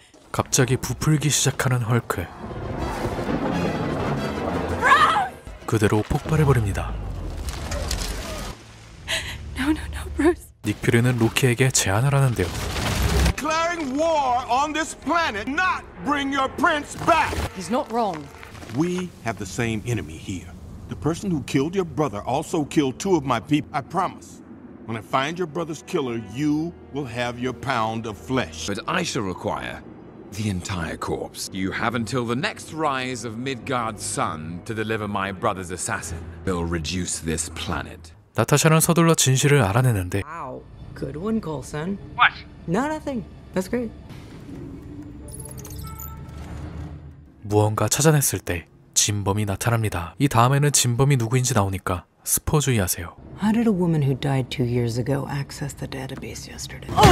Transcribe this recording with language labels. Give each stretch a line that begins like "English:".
Korean: 갑자기 부풀기 시작하는 헐크. 그대로 폭발해 버립니다.
English: No, no, no, Bruce.
Korean: 닉 퓨리는 로키에게 제안을 하는데요.
English: Declaring war on this planet, not bring your prince back. He's not wrong. We have the same enemy here. The person who killed your brother also killed two of my people. I promise. When I find your brother's killer, you will have your pound of flesh. But I shall require the entire corpse. You have until the next rise of Midgard's sun to deliver my brother's assassin. We'll reduce this planet.
Korean: 나타샤는 서둘러 진실을 알아내는데.
English: Wow, good one, Coulson. What? No, nothing. That's great.
Korean: 무언가 찾아냈을 때 진범이 나타납니다. 이 다음에는 진범이 누구인지 나오니까 스포 주의하세요.
English: How did a woman who died 2 years ago access the database yesterday?